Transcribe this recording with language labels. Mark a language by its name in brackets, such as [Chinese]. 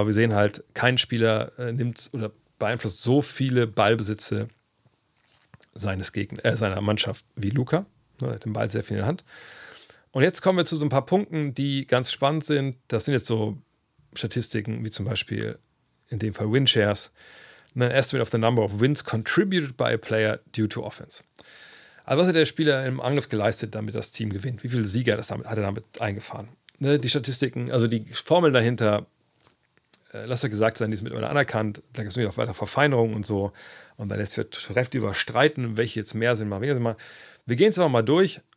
[German] Aber wir sehen halt, kein Spieler nimmt oder beeinflusst so viele Ballbesitze seiner Mannschaft wie Luca. Er hat den Ball sehr viel in der Hand. Und jetzt kommen wir zu so ein paar Punkten, die ganz spannend sind. Das sind jetzt so Statistiken wie zum Beispiel in dem Fall Winshares. [English] Ein Estimate of the number of wins contributed by a player due to offense. [German] Also was hat der Spieler im Angriff geleistet, damit das Team gewinnt? Wie viele Sieger hat er damit eingefahren? Ne, die Statistiken, also die Formel dahinter, lass doch gesagt sein, die ist mittlerweile anerkannt. Da gibt es natürlich auch weiter Verfeinerungen und so. Und da lässt sich trefflich über streiten, welche jetzt mehr sind, mal weniger sind. Wir gehen es aber mal durch.